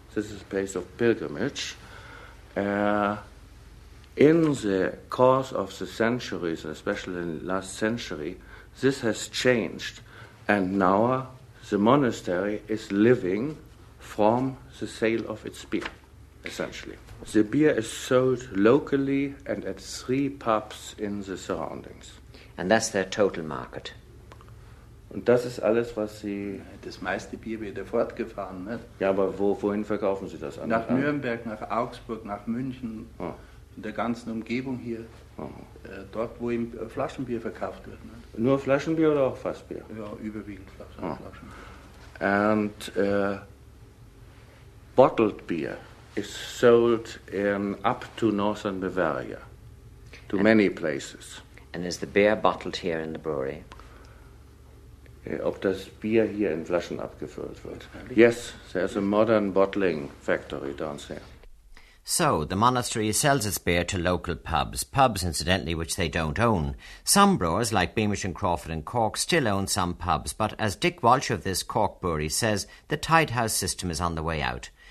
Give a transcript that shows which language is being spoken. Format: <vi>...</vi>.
<en>This is a place of pilgrimage. In the course of the centuries, especially in the last century, this has changed. And now the monastery is living from the sale of its beer, essentially. The beer is sold locally and at 3 pubs in the surroundings. And that's their total market.</en> <de>Und das ist alles, was Sie... Das meiste Bier wird ja fortgefahren, nicht? Ja, aber wohin verkaufen Sie das? Nach Nürnberg, nach Augsburg, nach München, in der ganzen Umgebung hier. Dort, wo ihm Flaschenbier verkauft wird. Nicht? Nur Flaschenbier oder auch Fassbier? Ja, überwiegend Flaschenbier.</de> <en>And bottled beer is sold in up to northern Bavaria, to many places. And is the beer bottled here in the brewery?</en> <de>Ob das Bier hier in Flaschen abgefüllt wird.</de> <en>Yes, there's a modern bottling factory downstairs. So, the monastery sells its beer to local pubs, pubs, incidentally, which they don't own. Some brewers, like Beamish and Crawford and Cork, still own some pubs, but as Dick Walsh of this Cork brewery says, the tide house system is on the way out.</en>